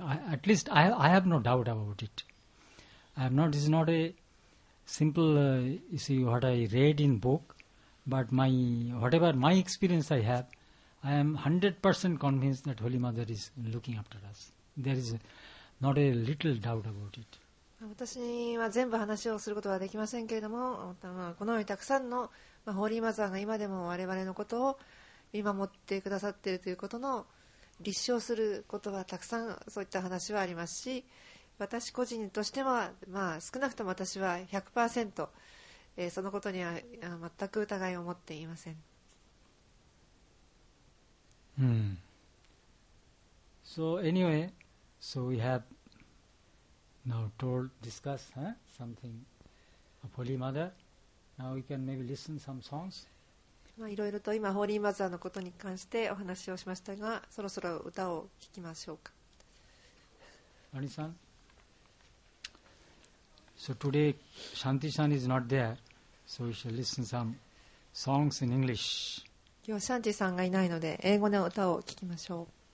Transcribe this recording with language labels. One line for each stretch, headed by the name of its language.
English: At least I have no doubt about it. This is not a simple, you see, what I read in book, but whatever my experience I have, I am 100% convinced that Holy Mother is looking after us. There is not a little doubt about it.
Japanese: 私は全部話をすることはできませんけれども、このようにたくさんの、ホーリーマザーが今でも我々のことを見守ってくださっているということの立証することはたくさんそういった話はありますし、私個人としては、少なくとも私は 100%、そのことには全く疑いを持っていません。
English: うん。So anyway, so we have now discussed something of Holy Mother. Now we can maybe listen some songs.
Japanese: いろいろと今ホーリーマザーのことに関してお話をしましたが、そろそろ歌を聴きましょうか。
English: アニさん、So today Shanti-san is not there, so we shall listen some songs in English.
Japanese: 今日シャンティさんがいないので英語の歌を聴きましょう。